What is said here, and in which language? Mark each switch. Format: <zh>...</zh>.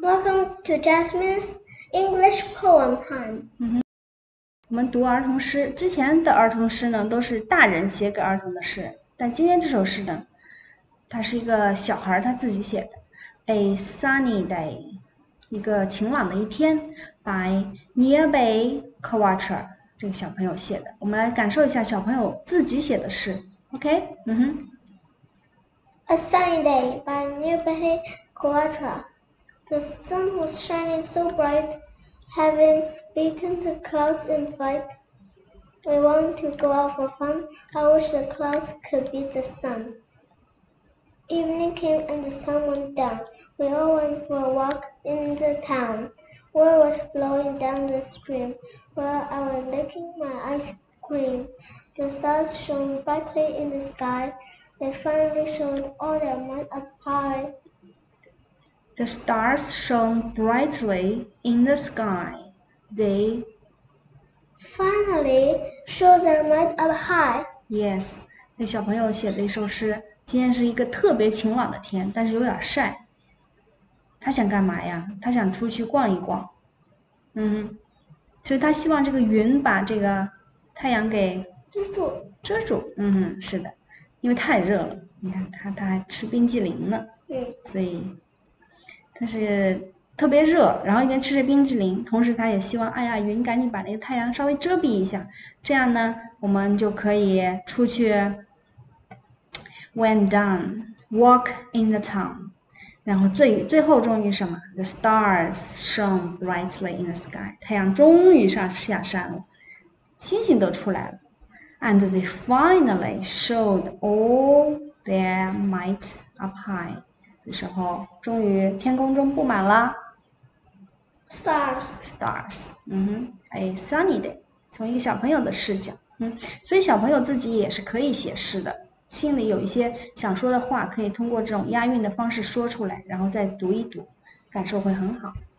<en>Welcome to Jasmine's English Poem Time.</en> <zh>我们读儿童诗，之前的儿童诗呢，都是大人写给儿童的诗，但今天这首诗呢，它是一个小孩他自己写的。</zh> <en>A sunny day，</en> <zh>一个晴朗的一天，by nearby Quarter，这个小朋友写的。我们来感受一下小朋友自己写的诗，OK？</zh> <en>A sunny day by nearby Quarter. The sun was shining so bright, having beaten the clouds in fight. We want to go out for fun. I wish the clouds could be the sun. Evening came and the sun went down. We all went for a walk in the town. Water was flowing down the stream where I was licking my ice cream. The stars shone brightly in the sky. They finally showed all their might up high. The stars shone brightly in the sky. They Finally, show their might up high.</en> <zh>Yes，那小朋友写的一首诗。今天是一个特别晴朗的天，但是有点晒。他想干嘛呀？他想出去逛一逛。所以他希望这个云把这个太阳给遮住。遮住。是的，因为太热了。你看他还吃冰激凌呢，所以。但是特别热，然后一边吃着冰淇淋，同时他也希望，哎呀，云赶紧把那个太阳稍微遮蔽一下，这样呢，我们就可以出去。</zh> <en>When done, walk in the town，</en> <zh>然后最后终于什么？</zh> <en>The stars shone brightly in the sky，</en> <zh>太阳终于下山了，星星都出来了。</zh> <en>And they finally showed all their might up high。</en> <zh>的时候，终于天空中布满了</zh> <en>Stars。 stars。</en> <zh>哎，sunny day，从一个小朋友的视角，所以小朋友自己也是可以写诗的，心里有一些想说的话，可以通过这种押韵的方式说出来，然后再读一读，感受会很好。</zh>